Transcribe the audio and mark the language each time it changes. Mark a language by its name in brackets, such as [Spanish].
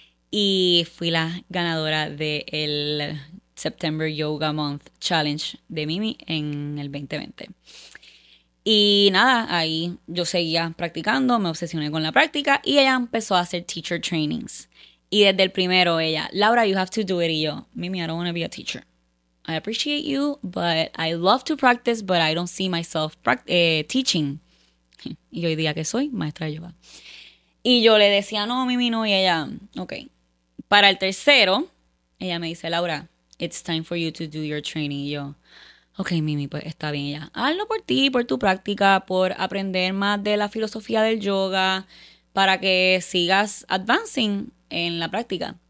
[Spanish] Y fui la ganadora del September Yoga Month Challenge de Mimi en el 2020. Y nada, ahí yo seguía practicando. Me obsesioné con la práctica. Y ella empezó a hacer [English] teacher trainings. [Spanish] Y desde el primero, ella, Laura, [English] you have to do it. [Spanish] Y yo, [English] Mimi, I don't want to be a teacher. I appreciate you, but I love to practice, but I don't see myself teaching. [Spanish] Y hoy día que soy maestra de yoga. Y yo le decía, no, Mimi, no. Y ella, okay. Para el tercero, ella me dice, Laura, [English] it's time for you to do your training. [Spanish] Y yo, okay, Mimi, pues está bien. Y ella, hazlo por ti, por tu práctica, por aprender más de la filosofía del yoga, para que sigas advancing en la práctica.